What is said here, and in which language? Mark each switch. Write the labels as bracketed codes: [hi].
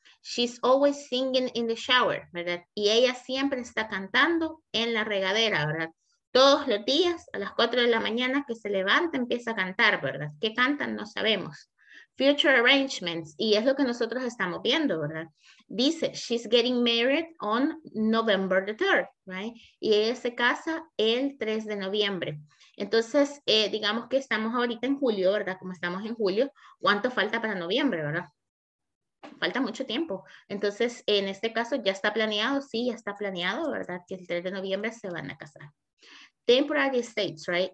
[en] She's always singing in the shower, [es] ¿verdad? Y ella siempre está cantando en la regadera, ¿verdad? Todos los días a las 4 de la mañana que se levanta empieza a cantar, ¿verdad? ¿Qué cantan? No sabemos. [en] Future arrangements, [es] y es lo que nosotros estamos viendo, ¿verdad? [en] Dice, she's getting married on November the 3rd, right? [es] Y ella se casa el 3 de noviembre. Entonces, digamos que estamos ahorita en julio, ¿verdad? Como estamos en julio, ¿cuánto falta para noviembre, verdad? Falta mucho tiempo. Entonces, en este caso, ¿ya está planeado? Sí, ya está planeado, ¿verdad? Que el 3 de noviembre se van a casar. [en] Temporary states, right?